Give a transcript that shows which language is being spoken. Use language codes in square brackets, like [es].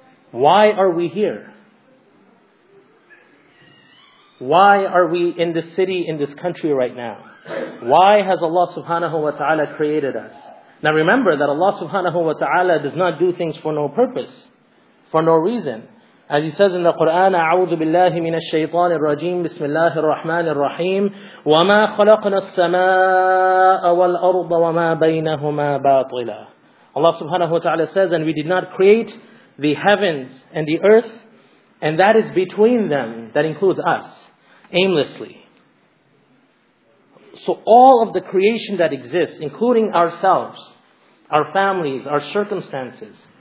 [en] Why are we here? Why are we in this city, in this country right now? Why has Allah subhanahu wa ta'ala created us? Now remember that Allah subhanahu wa ta'ala does not do things for no purpose, for no reason. As he says in the Quran, [ar] أَعُوذُ بِاللَّهِ مِنَ الشَّيْطَانِ الرَّجِيمِ بِسْمِ اللَّهِ الرَّحْمَنِ الرَّحِيمِ وَمَا خَلَقْنَا السَّمَاءَ وَالْأَرْضَ وَمَا بَيْنَهُمَا بَاطِلًا. [en] Allah subhanahu wa ta'ala says, and we did not create the heavens and the earth, and that is between them, that includes us, aimlessly. So all of the creation that exists, including ourselves, our families, our circumstances,